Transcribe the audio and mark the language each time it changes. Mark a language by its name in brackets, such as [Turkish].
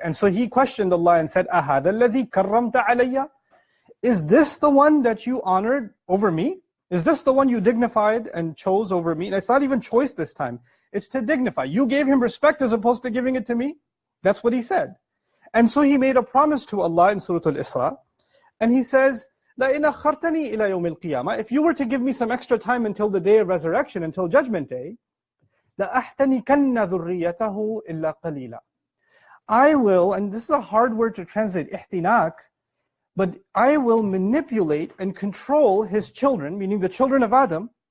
[English] And so he questioned Allah and said, [Arabic] أَهَذَا الَّذِي كَرَّمْتَ عَلَيَّ. [English] Is this the one that you honored over me? Is this the one you dignified and chose over me? And it's not even choice this time. It's to dignify. You gave him respect as opposed to giving it to me. That's what he said. And so he made a promise to Allah in Surah Al-Isra. And he says, [Arabic] لَإِنْ أَخَّرْتَنِي إِلَى يَوْمِ الْقِيَامَةِ. [English] If you were to give me some extra time until the day of resurrection, until Judgment Day, [Arabic] لَأَحْتَنِكَنَّ ذُرِّيَّتَهُ إِلَّا قَلِيلًا. [English] I will, and this is a hard word to translate, احتناك, but I will manipulate and control his children, meaning the children of Adam,